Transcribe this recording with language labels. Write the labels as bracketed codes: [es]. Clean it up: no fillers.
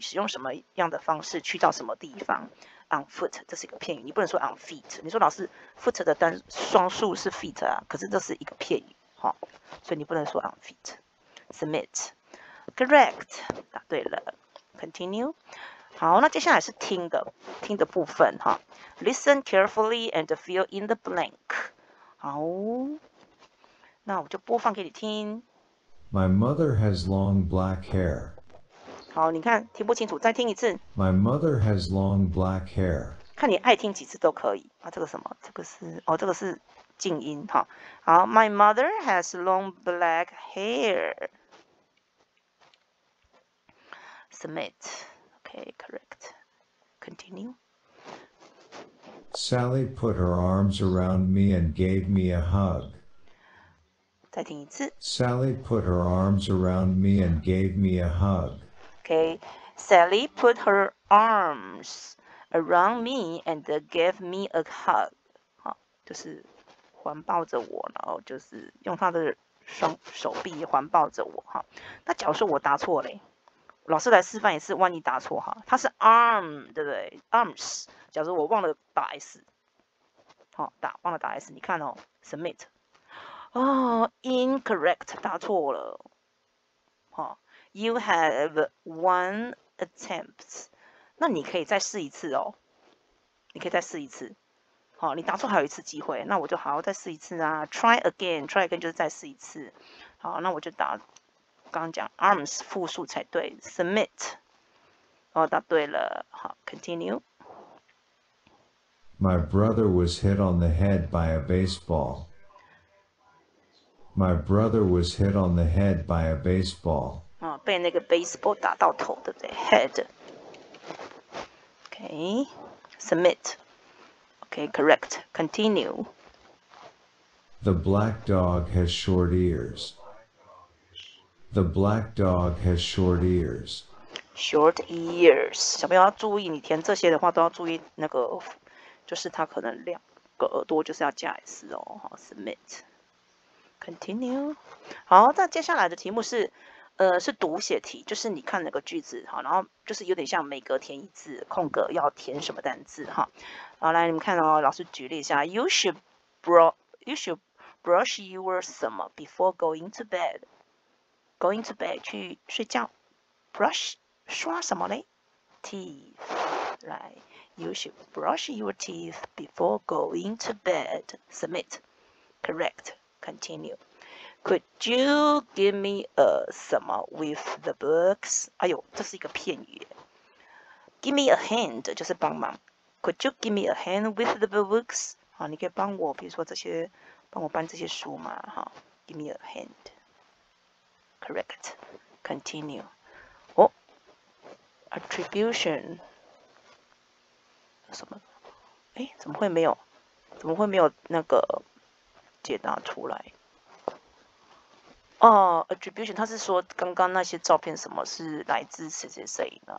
[zh] 使用什么样的方式去到什么地方 ？ [en] On foot， [zh] 这是一个片语。你不能说 on feet。你说老师 ，foot 的单双数是 feet 啊，可是这是一个片语，好、哦，所以你不能说 on feet。 [en] Submit. Correct. [zh] 答对了。 [en] Continue. [zh] 好，那接下来是听的，听的部分哈。 [en] Listen carefully and fill in the blank. [zh] 好，那我就播放给你听。 [en] My mother has long black hair. [zh] 好，你看听不清楚，再听一次。 [en] My mother has long black hair. [zh] 看你爱听几次都可以啊。这个什么？这个是哦，这个是静音哈。 [en] 好 ，My mother has long black hair. Submit. Okay, correct. Continue. Sally put her arms around me and gave me a hug. [zh] 再听一次。 [en] Sally put her arms around me and gave me a hug. Okay, Sally put her arms around me and gave me a hug. [zh] 好，就是环抱着我，然后就是用她的双手臂环抱着我。哈，那假如说我答错嘞？老师来示范一次，万一答错哈，它是 arm 对不对 ？arms， 假如我忘了打 s，好、哦，打帮他打 S， 你看哦 ，submit， 哦 ，incorrect， 打错了，好、哦、， [en] you have one attempt， [zh] 那你可以再试一次哦，你可以再试一次，好、哦，你打错还有一次机会，那我就好好再试一次啊 ， [en] try again [zh] 就是再试一次，好，那我就打，刚刚讲 arms 复数才对 ，submit， 哦，答对了，好 ，continue。 [en] My brother was hit on the head by a baseball. My brother was hit on the head by a baseball. [zh] 啊，被那个 baseball 打到头，对不对 ？Head. [en] Okay. Submit. Okay. Correct. Continue. The black dog has short ears. The black dog has short ears. Short ears. [zh] 小朋友要注意，你填这些的话都要注意那个。就是他可能两个耳朵就是要加 S 哦，好 ，submit， continue， 好，那接下来的题目是，是读写题，就是你看那个句子，好，然后就是有点像每格填一字，空格要填什么单字哈，好，来你们看哦，老师举例一下 ， [en] you should brush your 什么 before going to bed [zh] 去睡觉 ，brush 刷什么嘞 ？teeth， 来。 [en] You should brush your teeth before going to bed. Submit. Correct. Continue. Could you give me a [zh] 什么 [en] with the books? [zh] 哎呦，这是一个片语。 [en] Give me a hand [zh] 就是帮忙。 [en] Could you give me a hand with the books? [zh] 好，你可以帮我，比如说这些，帮我搬这些书嘛。 [en] 哈 ，Give me a hand. Correct. Continue. Oh, attribution. [zh] 什么？哎，怎么会没有？怎么会没有那个解答出来？哦 ，attribution， 他是说刚刚那些照片什么是来自谁谁谁呢？